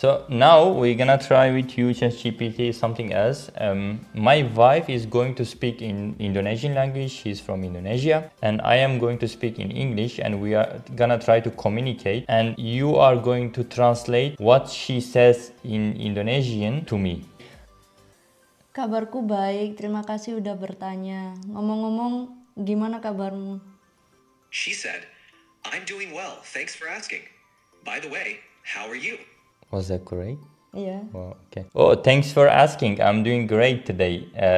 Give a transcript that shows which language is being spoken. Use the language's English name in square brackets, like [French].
[English] So now we're gonna try with you, ChatGPT, something else. My wife is going to speak in Indonesian language. She's from Indonesia. And I am going to speak in English and we are gonna try to communicate. And you are going to translate what she says in Indonesian to me. [Indonesian] Kabarku baik, terima kasih udah bertanya. Ngomong-ngomong, gimana kabarmu? [English] She said, I'm doing well, thanks for asking. By the way, how are you? Was that great? Yeah. Well, okay. Oh, thanks for asking, I'm doing great today.